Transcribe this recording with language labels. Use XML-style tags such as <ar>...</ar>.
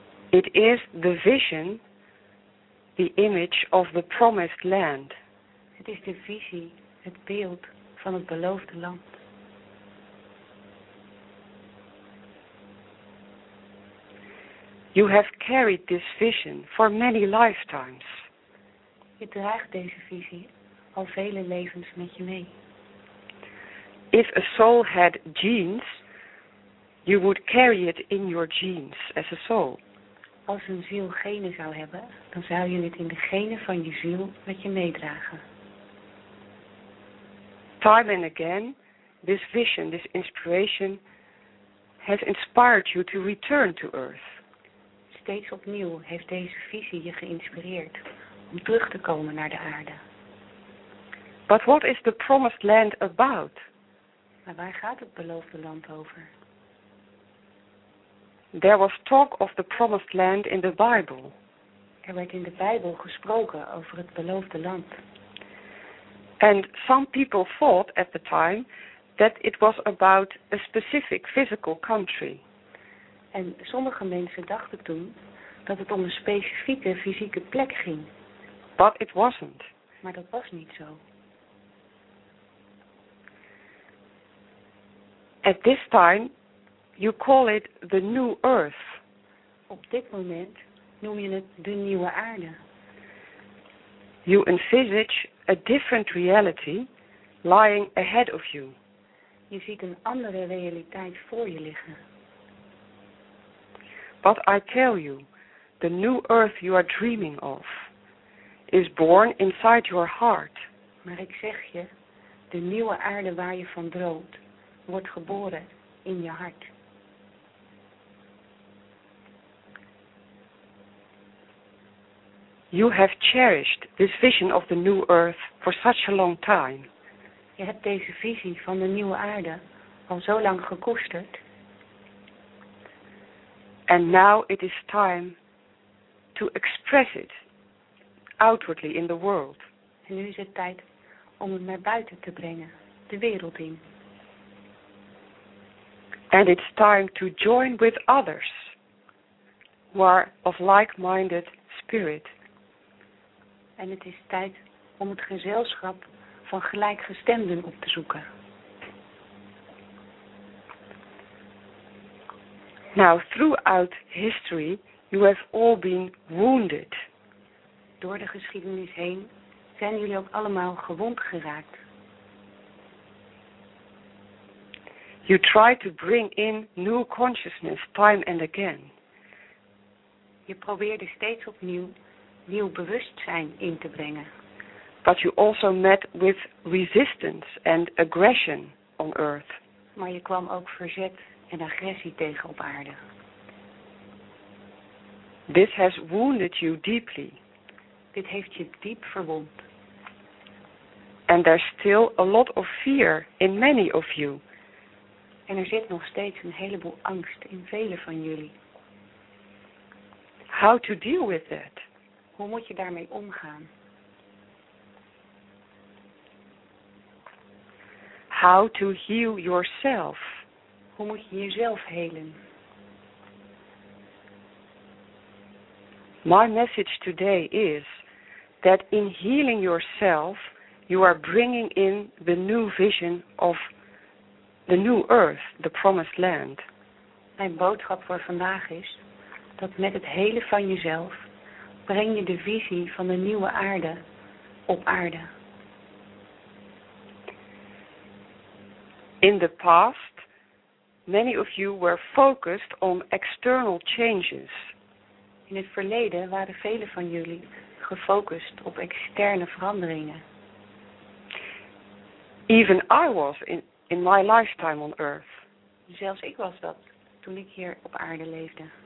<en>It is the vision, the image of the promised land.</en> <nl>Het is de visie, het beeld van het beloofde land.</nl> <en>You have carried this vision for many lifetimes.</en> <nl>Je draagt deze visie al vele levens met je mee.</nl> <en>if a soul had genes, you would carry it in your genes as a soul.</en> <nl>Als een ziel genen zou hebben, dan zou je het in de genen van je ziel met je meedragen.</nl> <en>Time and again, this vision, this inspiration, has inspired you to return to Earth.</en> <nl>Steeds opnieuw heeft deze visie je geïnspireerd om terug te komen naar de aarde.</nl> <en>But what is the promised land about?</en> <nl>Maar waar gaat het beloofde land over?</nl> <en>There was talk of the promised land in the Bible.</en> <nl>Er werd in de Bijbel gesproken over het beloofde land.</nl> <en>And some people thought at the time that it was about a specific physical country.</en> <nl>En sommige mensen dachten toen dat het om een specifieke fysieke plek ging.</nl> <en>But it wasn't.</en> <nl>Maar dat was niet zo.</nl> <en>At this time you call it the new earth.</en> <nl>Op dit moment noem je het de nieuwe aarde.</nl> <en>You envisage a different reality lying ahead of you.</en> <nl>Je ziet een andere realiteit voor je liggen.</nl> <en>But I tell you, the new earth you are dreaming of is born inside your heart.</en> <nl>Maar ik zeg je, de nieuwe aarde waar je van droomt, wordt geboren in je hart.</nl> <en>You have cherished this vision of the new earth for such a long time.</en> <nl>Je hebt deze visie van de nieuwe aarde al zo lang gekoesterd.</nl> <en>And now it is time to express it outwardly in the world.</en> <nl>En nu is het tijd om het naar buiten te brengen, de wereld in.</nl> <en>And it's time to join with others who are of like-minded spirit.</en> <nl>En het is tijd om het gezelschap van gelijkgestemden op te zoeken.</nl> <en>Now, throughout history, you have all been wounded.</en> <nl>Door de geschiedenis heen zijn jullie ook allemaal gewond geraakt.</nl> <en>You try to bring in new consciousness time and again.</en> <nl>Je probeerde steeds opnieuw nieuw bewustzijn in te brengen.</nl> <en>But you also met with resistance and aggression on earth.</en> <nl>Maar je kwam ook verzet en agressie tegen op aarde.</nl> <en>This has wounded you deeply.</en> <nl>Dit heeft je diep verwond.</nl> <en>And there's still a lot of fear in many of you.</en> <nl>En er zit nog steeds een heleboel angst in velen van jullie.</nl> <en>How to deal with that?</en> <nl>Hoe moet je daarmee omgaan?</nl> <en>How to heal yourself?</en> <nl>Hoe moet je jezelf helen?</nl> <en>My message today is that in healing yourself, you are bringing in the new vision of the new earth, the promised land.</en> <nl>Mijn boodschap voor vandaag is dat met het helen van jezelf breng je de visie van de nieuwe aarde op aarde.</nl> <en>In the past, many of you were focused on external changes.</en> <nl>In het verleden waren velen van jullie gefocust op externe veranderingen.</nl> <en>Even I was in my lifetime on Earth.</en> <nl>Zelfs ik was dat toen ik hier op aarde leefde.</nl>